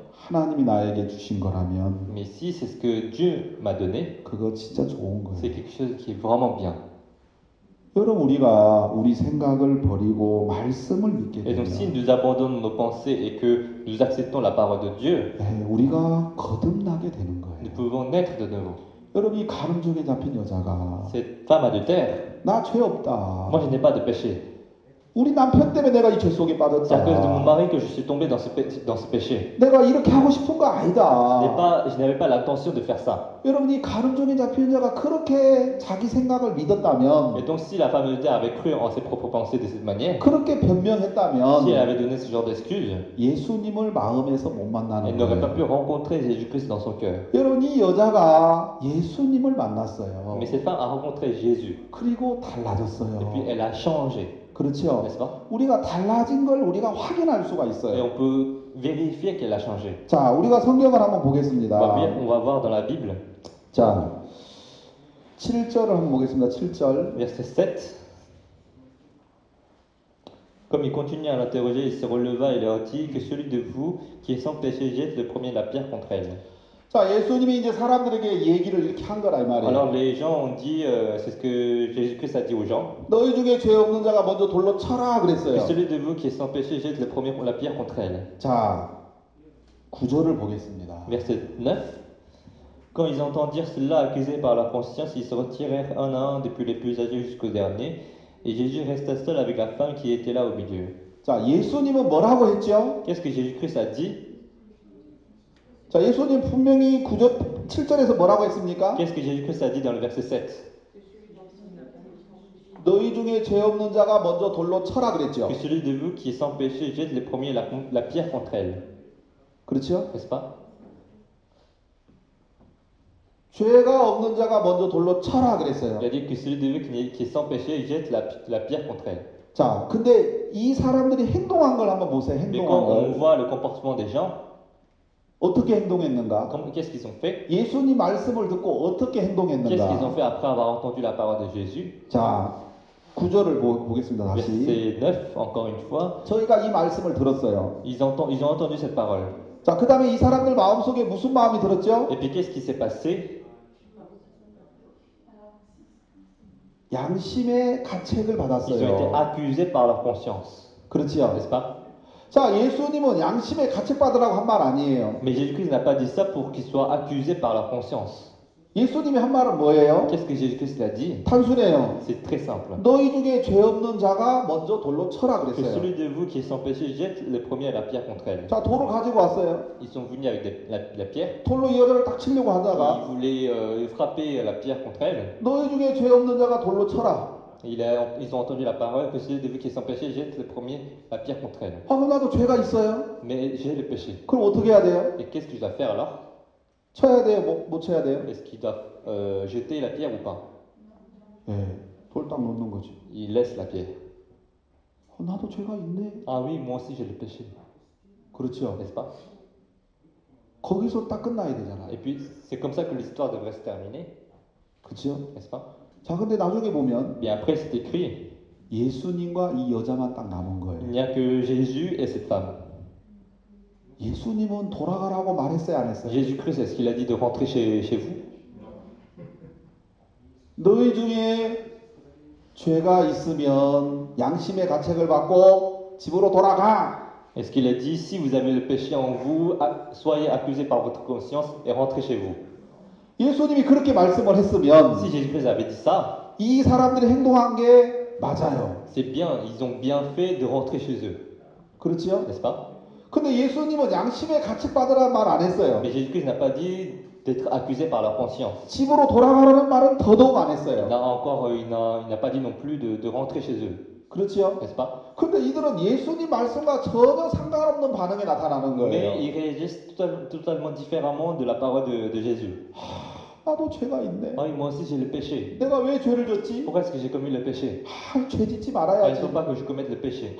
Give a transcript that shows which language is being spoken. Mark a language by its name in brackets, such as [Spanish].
[Korean] 하나님이 나에게 주신 거라면 [French] Mais si c'est ce que Dieu m'a donné, [Korean] 그거 진짜 좋은 거예요. 그게 진짜 좋은 거예요. 여러분 우리가 우리 생각을 버리고 말씀을 믿게 [French] Et donc, si [Korean] 되면 [French] nous abandonnons nos pensées et que nous acceptons la parole de Dieu, [Korean] 우리가 거듭나게 되는 [French] nous pouvons naître de nouveau. [Korean] 여러분이 가늠죄에 잡힌 여자가 [French] Cette femme adultère, [Korean] 나죄 없다. [French] moi je n'ai pas de péché. [Korean] 우리 남편 때문에 내가 이죄 속에 [French] C'est à cause de mon mari que je suis tombé dans ce péché. [Korean] 내가 이렇게 하고 싶은 거 아니다. [French] Je n'avais pas l'intention de faire ça. [Korean] 여러분이 가늠죄에 잡힌 여자가 그렇게 자기 생각을 [French] Et [Korean] 믿었다면, [French] donc, si la femme adultère avait cru en ses propres pensées de cette manière, [Korean] 그렇게 [French] si elle [Korean] 변명했다면, [French] avait donné ce genre d'excuses, [Korean] 예수님을 마음에서 못 [French] elle [Korean] 만나는 [French] n'aurait pas [Korean] 거예요. [French] pu rencontrer Jésus-Christ dans son cœur. [Korean] 여러분 이 여자가 예수님을 만났어요. [French] Mais cette femme a rencontré Jésus. [Korean] 그리고 [French] Et [Korean] 달라졌어요. [French] puis elle a changé. [Korean] 그렇죠? [French] N'est-ce pas? [Korean] 우리가 달라진 걸 우리가 확인할 수가 [French] Et [Korean] 있어요. [French] on peut vérifier qu'elle a changé. [Korean] 자, 우리가 성경을 한번 보겠습니다. [French] On va voir dans la Bible. [Korean] 자, 7절을 한번 보겠습니다. 7절. [French] Verset 7. Comme il continuait à l'interroger, il se releva et leur dit que celui de vous qui est sans péché jette le premier la pierre contre elle. [Korean] 자, 예수님이 이제 사람들에게 얘기를 이렇게 한 거라 이 말이에요. [French] Alors les gens ont dit, c'est ce que Jésus-Christ a dit aux gens. [Korean] 너희 중에 죄 없는 자가 먼저 돌로 쳐라 그랬어요. [French] Celui de vous qui est sans péché jette le premier la pierre contre elle. [Korean] 자, 구절을 보겠습니다. [French] Verset 9. Quand ils entendirent cela, accusés par leur conscience, ils se retirèrent un à un, depuis les plus âgés jusqu'au dernier, et Jésus resta seul avec la femme qui était là au milieu. [Korean] 자, 예수님은 뭐라고 했죠? [French] 그 Jésus-Christ a dit? [Korean] 자, 예수님 분명히 구절 7절에서 뭐라고 했습니까? [French] Qu'est-ce que Jésus-Christ a dit dans le verset 7? [Korean] 너희 중에 죄 없는 자가 먼저 돌로 쳐라 그랬죠. [French] Que celui de vous qui est sans péché jette le premier la pierre contre elle. [Korean] 그렇죠? [French] N'est-ce pas? [Korean] 죄가 없는 자가 먼저 돌로 쳐라 그랬어요. [French] Il a dit que celui de vous qui est sans péché jette la pierre contre elle. [Korean] 자, 근데 이 사람들이 행동한 걸 한번 보세요. [French] Mais [Korean] 행동한 [French] quand on [Korean] 걸. [French] voit le comportement des gens, [Korean] 어떻게 행동했는가? [French] Comme qu'est-ce qu'ils ont fait? [Korean] 예수님 말씀을 듣고 어떻게 [French] Qu'est-ce qu'ils [Korean] 행동했는가? [French] ont fait après avoir entendu la parole de Jésus? [Korean] 자, 구절을 보겠습니다. 다시. [French] Verset 9, encore une fois. [Korean] 저희가 이 말씀을 들었어요. [French] Ils ont entendu cette parole. [Korean] 자, 그다음에 이 사람들 마음속에 무슨 마음이 들었죠? [French] Et puis qu'est-ce qui s'est passé? [Korean] 양심의 가책을 [French] Ils ont été [Korean] 받았어요. [French] accusés par leur conscience. [Korean] 그렇지요? [French] N'est-ce pas? [Korean] 자, 예수님은 양심의 가책 받으라고 한말 아니에요. [French] Mais Jésus-Christ n'a pas dit ça pour qu'ils soient accusés par leur conscience. [Korean] 예수님이 한 말은 뭐예요? [French] Qu'est-ce que Jésus-Christ a dit? [Korean] 단순해요. [French] C'est très simple. [Korean] 너희 중에 죄 없는 자가 먼저 돌로 쳐라 [French] Que [Korean] 그랬어요. [French] celui de vous qui est sans péché jette le premier la pierre contre elle. [Korean] 자, 돌을 가지고 왔어요. [French] Ils sont venus avec la pierre. [Korean] 돌로 이 여자를 딱 치려고 [French] Ils [Korean] 하다가 [French] voulaient frapper la pierre contre elle. [Korean] 너희 중에 죄 없는 자가 돌로 쳐라. [French] Ils ont entendu la parole que celui de vous qui est sans péché jette le premier la pierre contre elle. [Korean] 아, 나도 죄가 있어요. [French] Mais j'ai le péché. [Korean] 그럼 어떻게 해야 돼요? [French] Et qu'est-ce que je dois faire alors? [Korean] 쳐야 돼요, 못 쳐야 돼요? [French] Est-ce qu'il doit jeter la pierre ou pas? [Korean] 네, 돌딱 놓는 거지. [French] Il laisse la pierre. [Korean] 나도 죄가 있네. [French] Ah oui, moi aussi j'ai le péché. [Korean] 그렇죠? [French] N'est-ce pas? [Korean] 거기서 딱 끝나야 되잖아요. [French] Et puis c'est comme ça que l'histoire devrait se terminer. [Korean] 그렇죠? [French] N'est-ce pas? [Korean] 자, 근데 나중에 보면 [French] Mais après c'est écrit, [Korean] 예수님과 이 여자만 딱 남은 거예요. [French] Il n'y a que Jésus et cette femme. [Korean] 예수님은 돌아가라고 말했어요, 안 했어요? [French] Jésus-Christ, est-ce qu'il a dit de rentrer chez vous? [Korean] 너희 중에 죄가 있으면 양심의 가책을 받고 집으로 돌아가. [French] Est-ce qu'il a dit, si vous avez le péché en vous, soyez accusé par votre conscience et rentrez chez vous? [Korean] 예수님이 그렇게 말씀을 했으면 [French] Si Jésus-Christ avait dit ça, [Korean] 이 사람들이 행동한 게 맞아요. [French] c'est bien, ils ont bien fait de rentrer chez eux. [Korean] 그렇지요? [French] N'est-ce pas? [Korean] 근데 예수님은 양심의 가책 받으라는 말안 했어요. [French] Mais Jésus-Christ n'a pas dit d'être accusé par leur conscience. [Korean] 집으로 돌아가라는 말은 더더욱 안 했어요. [French] Là encore, il n'a pas dit non plus de rentrer chez eux. [Korean] 그렇지요? 근데 이들은 예수님 말씀과 전혀 상관없는 반응이 나타나는 거예요. [French] Mais ils réagissent totalement différemment de la parole de Jésus. [Korean] 나도 죄가 있네. [French] Oh, moi aussi j'ai le péché. [Korean] 내가 왜 죄를 졌지? [French] Pourquoi est-ce que j'ai commis le péché? [Korean] 아, 죄 짓지 말아야지. [French] Il faut pas que je commette le péché.